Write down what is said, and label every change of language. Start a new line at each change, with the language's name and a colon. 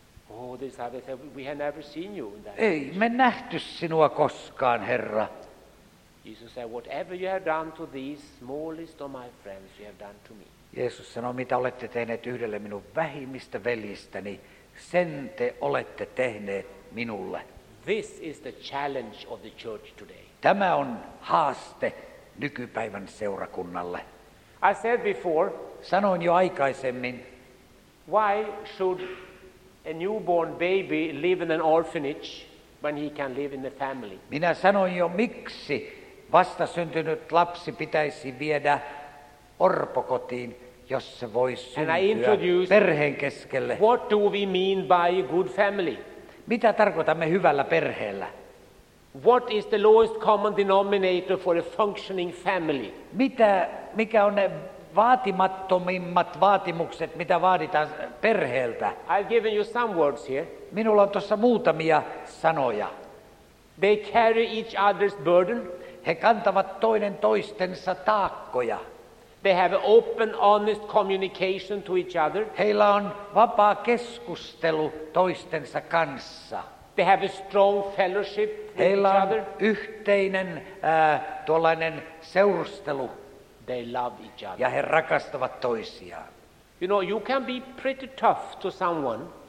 English: Oh, this other said, we had never seen you in that.
Finnish: Ei me nähty sinua koskaan, Herra.
English: Jesus said, whatever you have done to these smallest of my friends, you have done to me.
Finnish: Jeesus sanoi, mitä olette tehneet yhdelle minun vähimmistä veljistäni, sen te olette tehneet minulle.
English: This is the challenge of the church today.
Finnish: Tämä on haaste nykypäivän seurakunnalle.
English: I said before.
Finnish: Sanoin jo aikaisemmin.
English: Why should a newborn baby live in an orphanage when he can live in the family?
Finnish: Minä sanoin jo, miksi vastasyntynyt lapsi pitäisi viedä orpokotiin, jos se voi syntyä perheen keskelle.
English: What do we mean by a good family?
Finnish: Mitä tarkoitamme hyvällä perheellä?
English: What is the lowest common denominator for a functioning family?
Finnish: Mikä on ne vaatimattomimmat vaatimukset, mitä vaaditaan perheeltä?
English: I've given you some words here.
Finnish: Minulla on tuossa muutamia sanoja.
English: They carry each other's burden.
Finnish: He kantavat toinen toistensa taakkoja.
English: They have open, honest communication to each other.
Finnish: Heillä on vapaa keskustelu toistensa kanssa.
English: They have a strong fellowship with each other.
Finnish: Heillä on yhteinen tuollainen seurustelu.
English: They love each other.
Finnish: Ja he rakastavat toisiaan.
English: You know, you can be pretty tough to someone.